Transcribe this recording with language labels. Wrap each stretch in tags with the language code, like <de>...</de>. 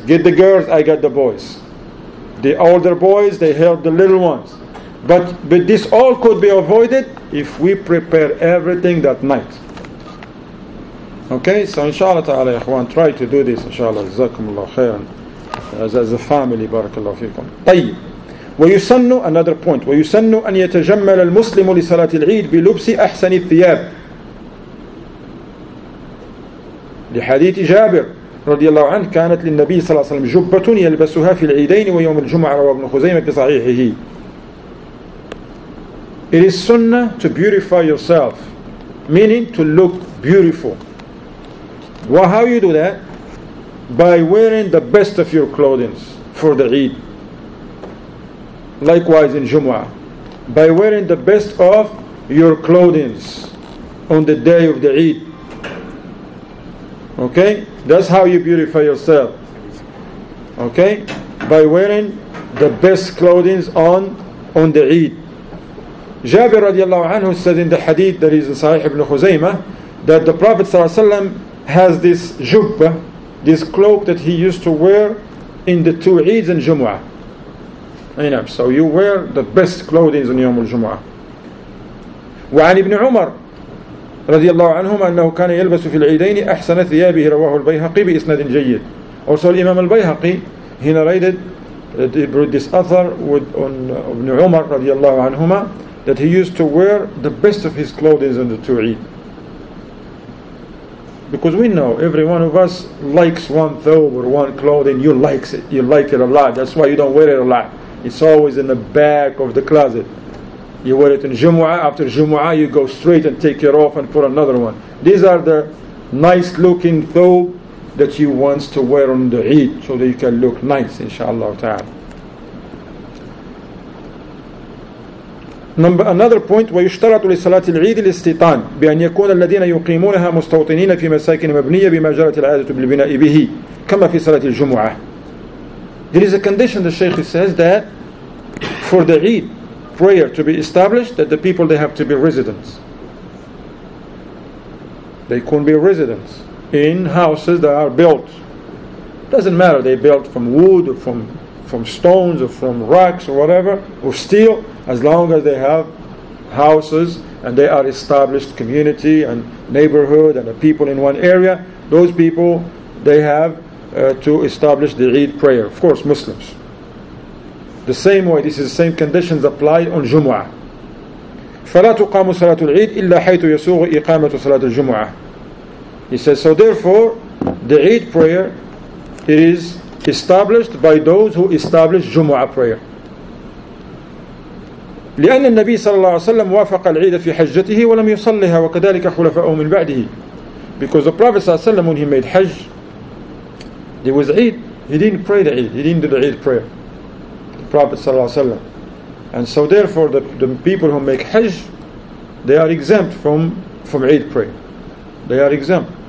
<en>Get the girls, I got the boys. The older boys, they help the little ones. But this all could be avoided if we prepare everything that night. Okay, so inshallah ta'ala, ikhwan, try to do this, inshallah, jazakumullah khairan, as a family, barakallahu feekum.</en> <ar>طيب, وَيُسَنُّ,</ar> <en>another point,</en> <ar>وَيُسَنُّ أَنْ يَتَجَمَّلَ الْمُسْلِمُ لِسَلَاةِ الْعِيدِ بِلُبْسِ أَحْسَنِ الثِّيَابِ. لحديث جابر رضي الله عنه, كانت للنبي صلى الله عليه وسلم جبة يلبسها في العيدين ويوم الجمعة, رواه ابن خزيمة بصحيحه.</ar> <en>It is sunnah to beautify yourself, meaning to look beautiful. Well, how you do that? By wearing the best of your clothing for the Eid. Likewise in Jumu'ah. By wearing the best of your clothing on the day of the Eid. Okay? That's how you beautify yourself. Okay? By wearing the best clothing on the Eid. Jabir radiallahu anhu said in the hadith that is in Sahih ibn Khuzaymah that the Prophet sallallahu alayhi wa sallam has this jubba, this cloak that he used to wear in the two Eids and Jumu'ah. So you wear the best clothing in Yawm al-Jumu'ah.</en> <ar>وعن ابن عمر رضي الله عنهما أنه كان يلبس في العيدين أحسن ثيابه رواه البيهقي بإسناد جيد.</ar> <en>Also Imam al-Bayhaqi, he narrated, he brought this author on ibn Umar رضي الله عنهما, that he used to wear the best of his clothing in the two Eid. Because we know, every one of us likes one thobe or one clothing. You like it. You like it a lot. That's why you don't wear it a lot. It's always in the back of the closet. You wear it in Jumu'ah. After Jumu'ah, you go straight and take it off and put another one. These are the nice looking thobe that you want to wear on the Eid so that you can look nice, inshallah ta'ala. Number another point,</en> <ar>ويشترط لصلاة العيد الاستيطان بأن يكون الذين يقيمونها مستوطنين في مساكن مبنية بما جرت العادة بالبناء به كما في صلاة الجمعة.</ar> <en>There is a condition the Shaykh says that for the Eid prayer to be established, that the people they have to be residents. They couldn't be residents in houses that are built. Doesn't matter they built from wood or from stones or from rocks or whatever, or steel, as long as they have houses and they are established community and neighborhood and the people in one area, those people, they have to establish the Eid prayer. Of course, Muslims. The same way, this is the same conditions applied on Jumu'ah.</en> <ar>فَلَا تُقَامُ صَلَاةُ الْعِيدِ إِلَّا حَيْتُ يَسُوغُ إِقَامَةُ صَلَاةُ الْجُمُعَةِ.</ar> <en>He says, so therefore, the Eid prayer, it is established by those who establish Jumu'ah prayer.</en> <ar>لأن النبي صلى الله عليه وسلم وافق العيد في حجته ولم يصلها وكذلك خلفاؤه من بعده.</ar> <en>Because the Prophet صلى الله عليه وسلم, when he made Hajj, there was Eid, he didn't pray the Eid, he didn't do the Eid prayer, the Prophet صلى الله عليه وسلم. And so therefore the people who make Hajj, they are exempt from Eid prayer. They are exempt.</en>